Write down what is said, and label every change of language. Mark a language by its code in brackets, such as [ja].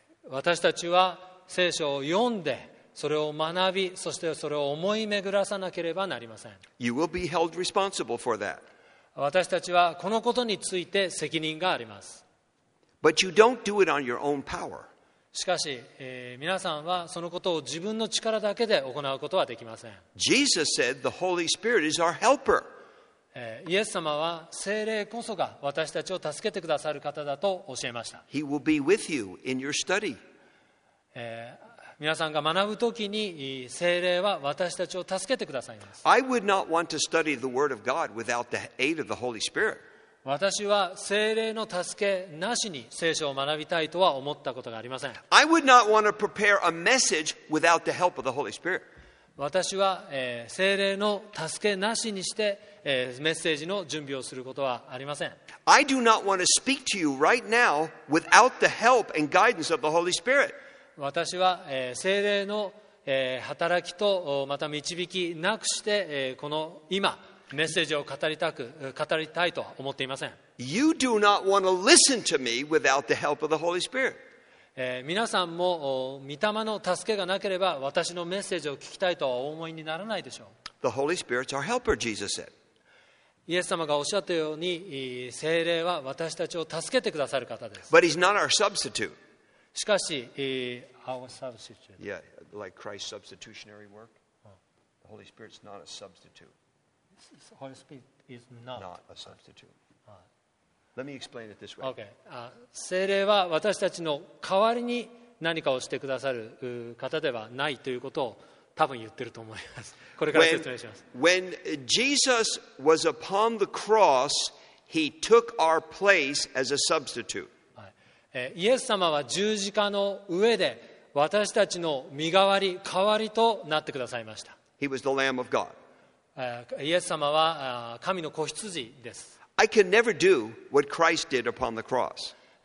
[ja] 私たちは聖書を読んでそれを学びそしてそれを思い巡らさなければなりません。 [en] You will be held responsible for that. [ja] 私たちはこのことについて責任があります。 [en] But you don't do it on your own power. [ja] しかし、皆さんはそのことを自分の力だけで行うことはできません。 [en] Jesus said the Holy Spirit is our helper. [ja] イエス様は聖霊こそが私たちを助けてくださる方だと教えました。 [en] He will be with you in your study. [ja] 皆さんが学ぶときに聖霊は私たちを助けてくださいます。 [en] I would not want to study the Word of God without the aid of the Holy Spirit. [ja] 私は聖霊の助けなしに聖書を学びたいとは思ったことがありません。 [en] I would not want to prepare a message without the help of the Holy Spirit. [ja] 私は聖霊の助けなしにしてメッセージの準備をすることはありません。 [en] I do not want to speak to you right now without the help and guidance of the Holy Spirit. [ja] 私は聖霊の働きとまた導きなくしてこの今メッセージを語りたいとは思っていません。 [en] You do not want to listen to me without the help of the Holy Spirit. [ja] 皆さんも御霊の助けがなければ私のメッセージを聞きたいとは思いにならないでしょう。 [en] The Holy Spirit's our helper, Jesus said. [ja] イエス様がおっしゃったように聖霊は私たちを助けてくださる方です。 [en] But he's not our substitute. [ja] しかし、 [en] our substitute. Yeah, like Christ's substitutionary work. The Holy Spirit's not a substitute. Holy Spirit is not a substitute. Let me explain it this way. Okay. [ja] 聖霊は私たちの代わりに何かをしてくださる方ではないということを多分言ってると思います。これから説明します。 [en] When Jesus was upon the cross, he took our place as a substitute. [ja] イエス様は十字架の上で私たちの身代わり、代わりとなってくださいました。 [en] He was the Lamb of God. [ja] イエス様は神の子羊です。 [en] I can never do what Christ did upon the cross.